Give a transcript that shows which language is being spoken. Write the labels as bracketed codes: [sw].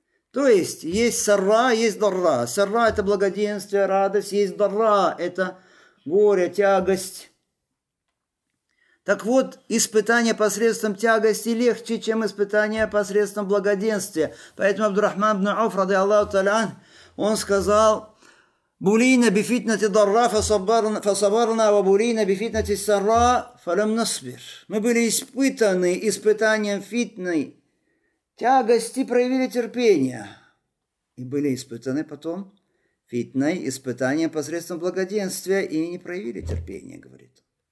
[ru] То есть, есть сарра, есть дарра. Сарра – это благоденствие, радость, есть дарра – это горе, тягость. Так вот, испытание посредством тягости легче, чем испытание посредством благоденствия. Поэтому Абдурахман ибн Ауф, ради Аллаху та'аля, он сказал: [ar] بولينا بفتنة الضراء فصبرنا وبولينا بفتنة السراء فلم نصبر. [ru] Мы были испытаны испытанием фитны, тягости проявили терпение. И были испытаны потом фитной, испытанием посредством благоденствия и не проявили терпения, говорит.